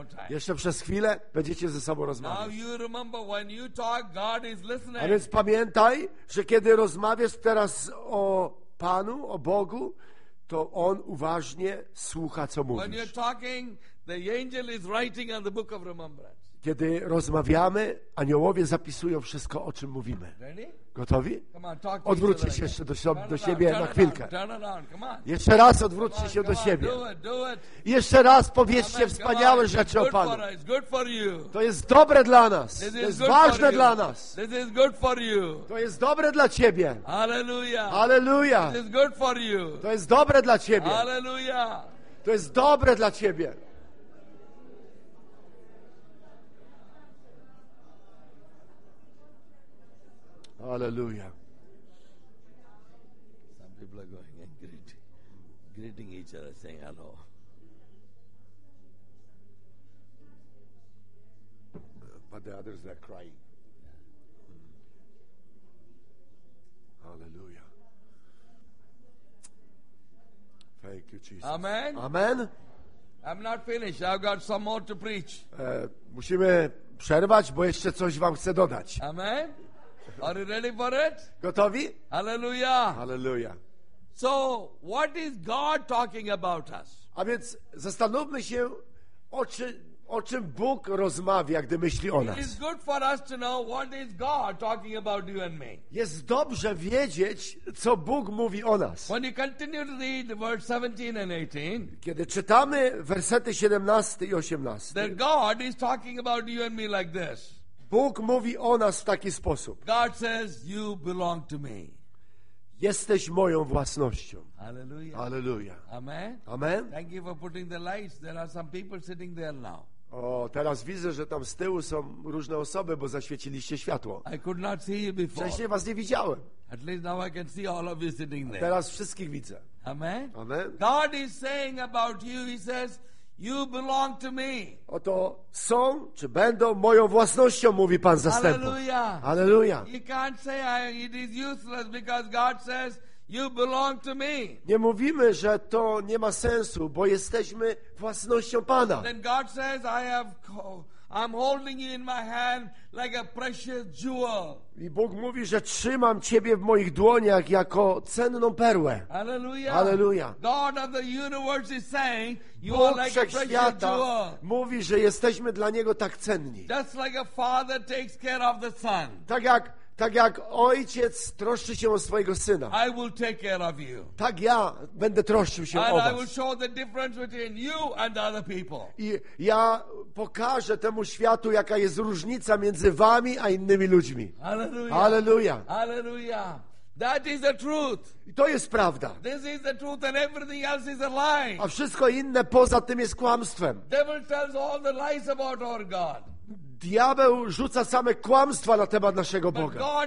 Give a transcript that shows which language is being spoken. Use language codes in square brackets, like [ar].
[pl] Jeszcze przez chwilę będziecie ze sobą rozmawiać. [en] Now you remember, when you talk, God is listening. [pl] A więc pamiętaj, że kiedy rozmawiasz teraz o Panu, o Bogu, to On uważnie słucha, co mówisz. [en] When you're talking, the angel is writing on the book of remembrance. [pl] Kiedy rozmawiamy, aniołowie zapisują wszystko, o czym mówimy. Gotowi? Odwróćcie się jeszcze do siebie na chwilkę. Jeszcze raz odwróćcie się do siebie. Jeszcze raz powiedzcie wspaniałe rzeczy o Panu. To jest dobre dla nas. To jest ważne dla nas. To jest dobre dla Ciebie. Alleluja. To jest dobre dla Ciebie. Alleluja. To jest dobre dla Ciebie. Hallelujah. [en] Some people are going and greeting each other, saying hello. But the others are crying. Hallelujah. Thank you, Jesus. Amen. Amen. I'm not finished. I've got some more to preach. [pl] Musimy przerwać, bo jeszcze coś wam chcę dodać. [en] Amen. Are you ready for it? [pl] Gotowi? Hallelujah. Hallelujah. [en] So, what is God talking about us? [pl] A więc zastanówmy się, o czym Bóg rozmawia, gdy myśli o nas. [en] It is good for us to know what is God talking about you and me. [pl] Jest dobrze wiedzieć, co Bóg mówi o nas. [en] When you continue to read verse 17 and 18, [pl] kiedy czytamy wersety 17 i 18, [en] that God is talking about you and me like this. [pl] Bóg mówi o nas w taki sposób. [en] God says, you belong to me. [pl] Jesteś moją własnością. Hallelujah. Hallelujah. Amen. Amen. [en] Thank you for putting the lights. There are some people sitting there now. [pl] O, teraz widzę, że tam z tyłu są różne osoby, bo zaświeciliście światło. [en] I could not see you before. [pl] Wcześniej was nie widziałem. [en] At least now I can see all of you sitting there. [pl] A teraz wszystkich widzę. Amen. Amen. [en] God is saying about you, he says, you belong to me. [pl] Oto są, czy będą moją własnością, mówi Pan zastępów. Hallelujah. [en] You can't say it is useless because God says you belong to me. [pl] Nie mówimy, że to nie ma sensu, bo jesteśmy własnością Pana. [en] Then God says, I'm holding you in my hand like a precious jewel. [pl] I Bóg mówi, że trzymam Ciebie w moich dłoniach jako cenną perłę. Hallelujah. Hallelujah. [en] God of the universe is saying you are like a precious jewel. [pl] Mówi, że jesteśmy dla Niego tak cenni. [en] Just like a father takes care of the son. [pl] Tak jak ojciec troszczy się o swojego syna. [en] I will take care of you. [pl] Tak ja będę troszczył się [en] and [pl] o was. [en] I will show the difference between you and other people. [pl] I ja pokażę temu światu, jaka jest różnica między wami a innymi ludźmi. Hallelujah. Hallelujah. [en] Hallelujah. That is the truth. [pl] I to jest prawda. [en] This is the truth and everything else is a lie. [pl] A wszystko inne poza tym jest kłamstwem. [en] Devil tells all the lies about our God. [pl] Diabeł rzuca same kłamstwa na temat naszego Boga.